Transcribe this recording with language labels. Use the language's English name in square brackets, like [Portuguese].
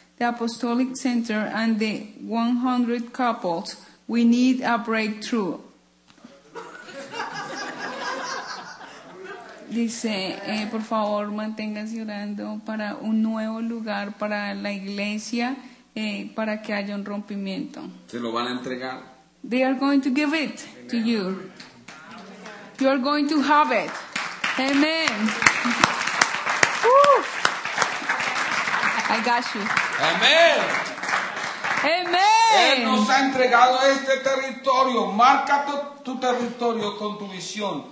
[English] the Apostolic Center and the 100 couples, we need a breakthrough. [Spanish] Dice, por favor, manténganse orando para un nuevo lugar para la iglesia, para que haya un rompimiento. ¿Se lo van a entregar? [English] They are going to give it to you. You are going to have it. Amen. I got you. Amen. Amen. [Spanish] Él nos ha entregado este territorio. Marca tu territorio con tu visión.